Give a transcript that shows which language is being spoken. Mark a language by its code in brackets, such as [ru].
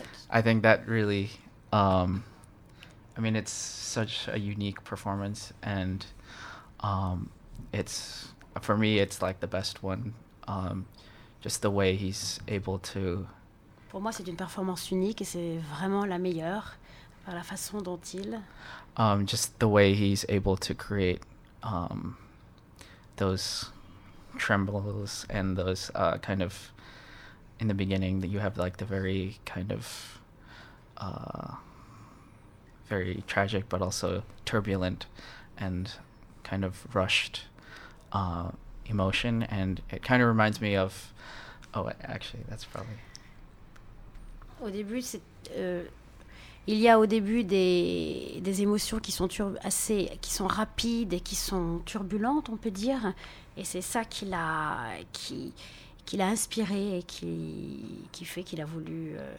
[en] I think that really, I mean, it's such a unique performance, and it's, for me, it's like the best one. Just the way he's able to. [fr] Pour moi, c'est une performance unique et c'est vraiment la meilleure par la façon dont il. [en] Just the way he's able to create those trembles and those kind of. In the beginning, that you have like the very kind of. Very tragic, but also turbulent and kind of rushed emotion. And it kind of reminds me of. Oh, actually, that's probably. [fr] Au début, c'est, il y a au début des émotions qui sont qui sont rapides et qui sont turbulentes, on peut dire, et c'est ça qui l'a inspiré et qui fait qu'il a voulu.